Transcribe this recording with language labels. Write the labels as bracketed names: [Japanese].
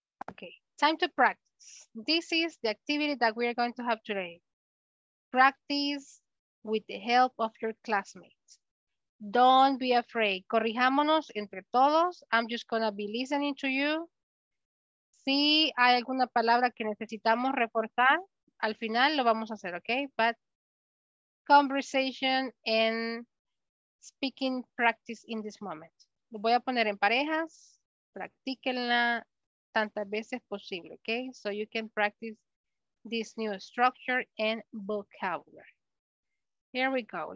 [English] Okay, time to practice. This is the activity that we are going to have today. Practice with the help of your classmates. Don't be afraid. [Spanish] Corrijámonos entre todos. [English] I'm just going to be listening to you. [Spanish] Si hay alguna palabra que necesitamos reforzar, al final lo vamos a hacer, okay? [English] But conversation and speaking practice in this moment. [Spanish] Lo voy a poner en parejas. Practíquenla tantas veces posible, okay? [English] So you can practice this new structure and vocabulary. Here we go.